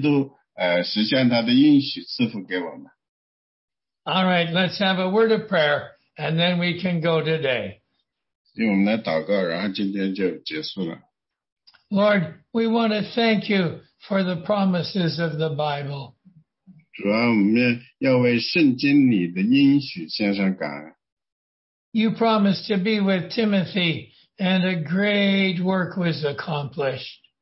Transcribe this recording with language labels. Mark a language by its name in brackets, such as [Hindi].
[Chinese] 实际上呢，我们呢今天就学到这里。你们可能有些问题，你们要提出来，现在也可以提出来，就说呢，我们要希望主耶稣基督，我们其实盼望着主耶稣基督实现他的应许，赐福给我们。 [English] All right, let's have a word of prayer, and then we can go today. [Chinese] 因为我们来祷告，然后今天就结束了。 [English] Lord, we want to thank you for the promises of the Bible. [Chinese] 主啊，我们要为圣经里的应许献上感恩。 [English] You promised to be with Timothy, and a great work was accomplished.